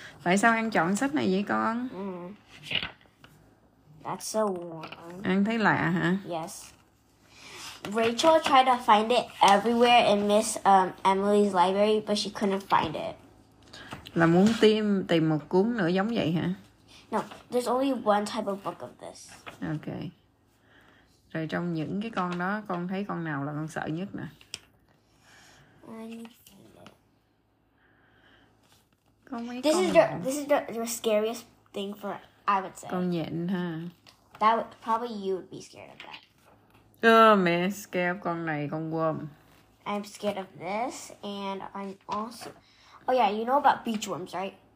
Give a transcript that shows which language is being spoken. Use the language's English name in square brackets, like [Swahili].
[Vietnamese] Tại sao An chọn sách này vậy con? [English] That's so warm. [Vietnamese] An thấy lạ hả? [English] Yes. Rachel tried to find it everywhere in Miss Emily's library, but she couldn't find it. [Vietnamese] Là muốn tìm một cuốn nữa giống vậy hả? [English] No, there's only one type of book of this. Okay. [Vietnamese] Rồi trong những cái con đó, con thấy con nào là con sợ nhất nè? [English] This is the scariest thing for, I would say. [Vietnamese] Con nhện ha. [English] Probably you would be scared of that. [Vietnamese] Mẹ [English] scared of [Vietnamese] con này, con worm. [English] I'm scared of this, and I'm also... Oh yeah, you know about beachworms, right?